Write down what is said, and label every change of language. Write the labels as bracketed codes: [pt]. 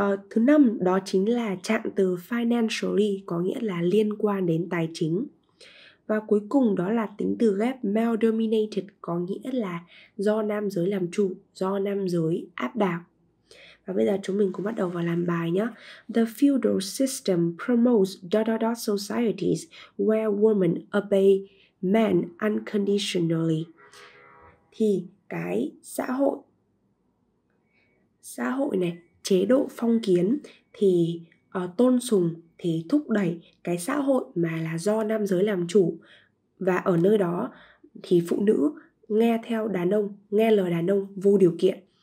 [vi] Thứ năm đó chính là trạng từ financially, có nghĩa là liên quan đến tài chính. Và cuối cùng đó là tính từ ghép male dominated, có nghĩa là do nam giới làm chủ, do nam giới áp đảo. Và bây giờ chúng mình cũng bắt đầu vào làm bài nhé. [en] The feudal system promotes dot-dot-dot societies where women obey men unconditionally. [vi] Thì cái xã hội này, chế độ phong kiến thì tôn sùng, thì thúc đẩy cái xã hội mà là do nam giới làm chủ. Và ở nơi đó thì phụ nữ nghe theo đàn ông, nghe lời đàn ông vô điều kiện.